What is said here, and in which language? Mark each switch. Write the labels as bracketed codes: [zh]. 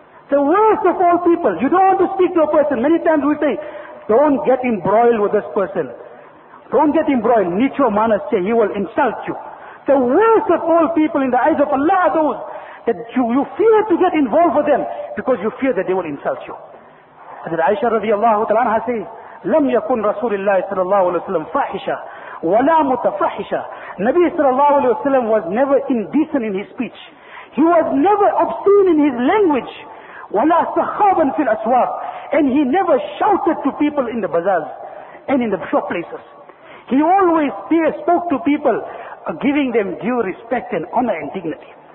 [en] The worst of all people, you don't want to speak to a person. Many times we say, don't get embroiled with this person. Don't get embroiled. [gu] Nicho manas che, [en] he will insult you. The worst of all people in the eyes of Allah are those that you fear to get involved with them because you fear that they will insult you. And Aisha radiallahu ta'ala anha says, [ar] لم يكن رسول الله صلى الله عليه وسلم فاحشة ولا متفحشة. [en] Nabi sallallahu alayhi wa sallam was never indecent in his speech. He was never obscene in his language. [ar] ولا سخابا في الأسواق. [en] And he never shouted to people in the bazaars and in the shop places. He always spoke to people giving them due respect and honor and dignity.